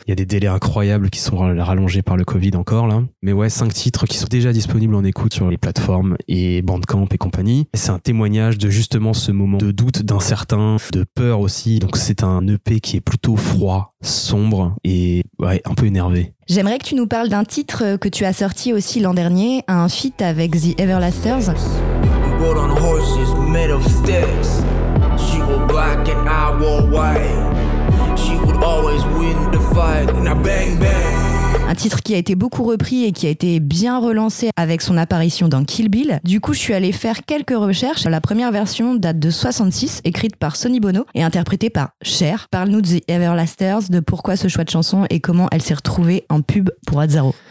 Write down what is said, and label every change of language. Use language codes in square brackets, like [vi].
[fr] Il y a des délais incroyables qui sont rallongés par le Covid encore, là. Mais ouais, 5 titres qui sont déjà disponibles en écoute sur les plateformes et Bandcamp et compagnie. Et c'est un témoignage de justement ce moment de doute, d'incertain, de peur aussi. Donc c'est un EP qui est plutôt froid, sombre et ouais, un peu énervé. J'aimerais que tu nous parles d'un titre que tu as sorti aussi l'an dernier, un feat avec The Everlasters. [en] Rode on horses made of sticks. She wore black and I wore white. She would always win the fight. And I bang bang. [fr] Un titre qui a été beaucoup repris et qui a été bien relancé avec son apparition dans Kill Bill. Du coup, je suis allée faire quelques recherches. La première version date de 66, écrite par Sonny Bono et interprétée par Cher. Parle-nous de The Everlasters, de pourquoi ce choix de chanson et comment elle s'est retrouvée en pub pour Azzaro.